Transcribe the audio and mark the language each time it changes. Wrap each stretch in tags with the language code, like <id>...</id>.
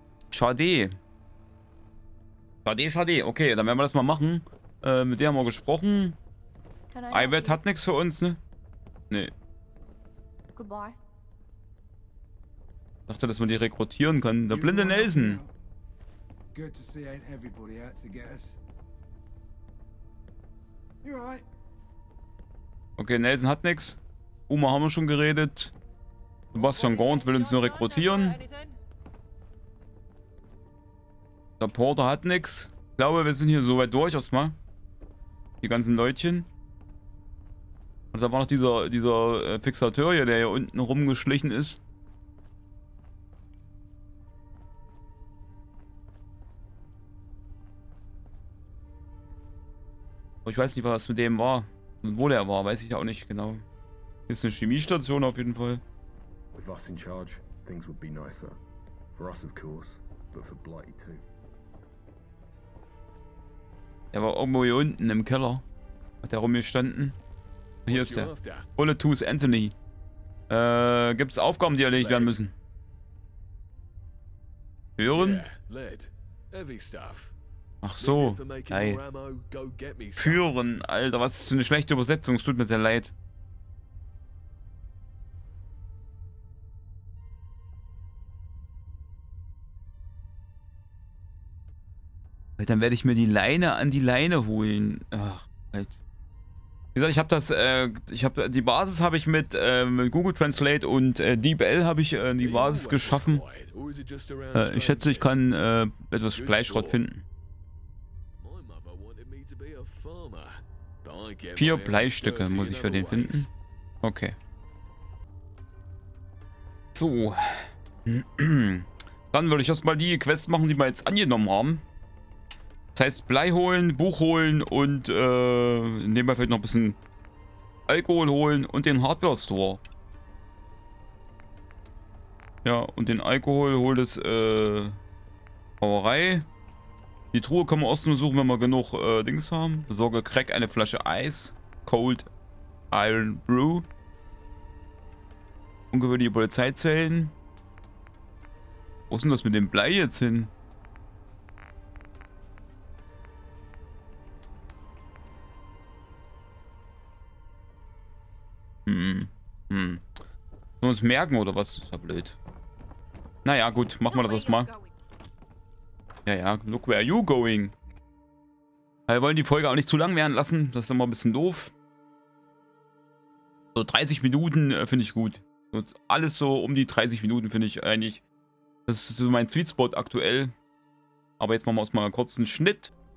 <de>Schade. Schade, schade. Okay, dann werden wir das mal machen. Mit der haben wir gesprochen. Ivet hat nichts für uns, ne? Nee.</de> <en>Goodbye.</en> <de>Ich dachte, dass man die rekrutieren kann. Der blinde Nelson.</de> <en>Good to see ain't everybody out to get us. You're right.</en> <de>Okay, Nelson hat nichts. Uma haben wir schon geredet. Sebastian Gaunt will uns nur rekrutieren. Der Porter hat nichts. Ich glaube, wir sind hier so weit durch erstmal. Die ganzen Leutchen. Und da war noch dieser Fixateur hier, der hier unten rumgeschlichen ist. Aber ich weiß nicht, was mit dem war. Und wo der war, weiß ich auch nicht genau. Ist eine Chemiestation auf jeden Fall. Mit uns</de> <en>in charge, things would be nicer. For us, of course, but for Blighty too.</en> <de>Der war irgendwo hier unten im Keller. Hat der rumgestanden. Hier ist er. Bullet Tooth Anthony. Gibt es Aufgaben, die erledigt werden müssen? Führen? Ach so. Ey. Führen, Alter, was ist für eine schlechte Übersetzung? Es tut mir sehr leid. Dann werde ich mir die Leine an die Leine holen. Ach, halt. Wie gesagt, ich habe das, die Basis habe ich mit Google Translate und DeepL habe ich die Basis geschaffen. Ich schätze, ich kann etwas Bleischrott finden.</de> <en>My mother wanted me to be a farmer, but</en> <de>4 Bleistücke muss ich für den finden. Okay. So. Dann würde ich erstmal die Quest machen, die wir jetzt angenommen haben. Das heißt, Blei holen, Buch holen und nebenbei vielleicht noch ein bisschen Alkohol holen und den Hardware Store. Ja, und den Alkohol holt es Brauerei. Die Truhe können wir außen suchen, wenn wir genug Dings haben. Besorge Crack eine Flasche Eis.</de> <en>Cold Iron Brew.</en> <de>Ungewöhnliche Polizeizellen. Wo ist denn das mit dem Blei jetzt hin? Sollen wir uns merken oder was? Das ist ja blöd. Naja, gut, machen wir das mal. Ja, ja,</de> <en>look where you going.</en> <de>Wir wollen die Folge auch nicht zu lang werden lassen. Das ist immer ein bisschen doof. So 30 Minuten finde ich gut. Und alles so um die 30 Minuten finde ich eigentlich. Das ist so mein Sweet Spot aktuell. Aber jetzt machen wir erstmal einen kurzen Schnitt.</de>